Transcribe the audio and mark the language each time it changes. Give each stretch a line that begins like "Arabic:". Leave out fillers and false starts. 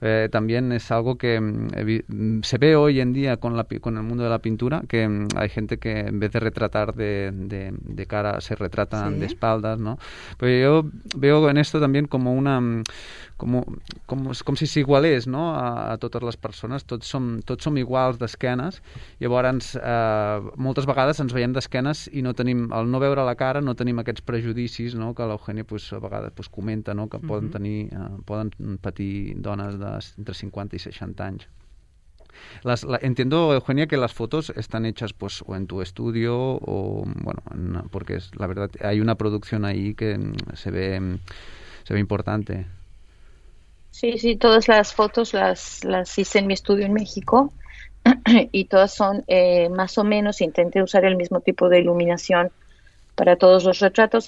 Spanish: También es algo que se ve hoy en día con el mundo de la pintura, que hay gente que en vez de retratar de cara se retratan de espaldas, ¿no? Pero yo veo en esto también como una
Catalan: com si s'igualés, no? A totes les persones, tots som iguals d'esquenes. Llavors, moltes vegades ens veiem d'esquenes i no tenim, al no veure la cara, no tenim aquests prejudicis, no? Que l'Eugènia pues a vegades pues comenta, no? Que poden patir dones entre 50 i 60 anys.
Spanish: Entiendo, Eugenia, que las fotos están hechas pues o en tu estudio o bueno, porque es la verdad, hay una producción ahí que se ve importante. Sí, todas las fotos las hice en mi estudio en México y todas son más o menos, intenté usar el mismo tipo de iluminación para todos los retratos.